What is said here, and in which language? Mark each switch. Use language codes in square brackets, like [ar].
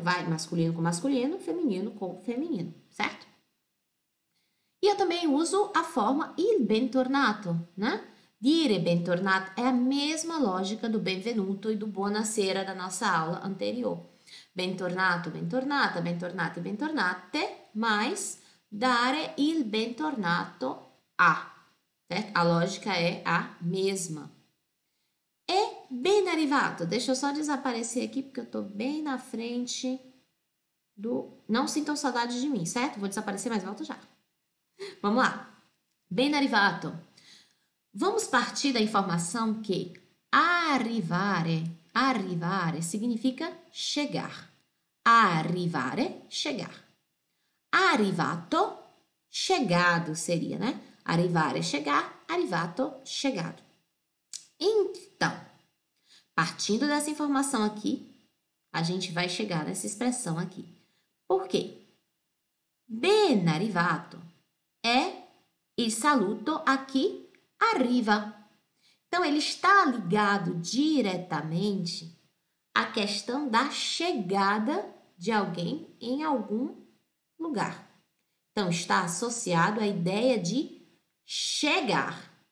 [pt] Vai masculino com masculino, feminino com feminino. Certo? E eu também uso a forma [it] il bentornato, [pt] né? [it] Dire bentornato [pt] é a mesma lógica do benvenuto e do buonasera da nossa aula anterior. [it] Bentornato, bentornata, bentornati, bentornate, [pt] mais... [it] Dare il bentornato a, certo? [pt] A lógica é a mesma. E ben arrivato, deixa eu só desaparecer aqui porque eu tô bem na frente do... Não sintam saudade de mim, certo? Vou desaparecer, mas volto já. Vamos lá. Ben arrivato. Vamos partir da informação que arrivare significa chegar. Arrivare, chegar. Arrivato, chegado seria, né? Arrivare, chegar. Arrivato, chegado. Então, partindo dessa informação aqui, a gente vai chegar nessa expressão aqui. Por quê? [it] Ben arrivato é il saluto a chi arriva. [pt] Então, ele está ligado diretamente à questão da chegada de alguém em algum lugar. Então, está associado à ideia de chegar.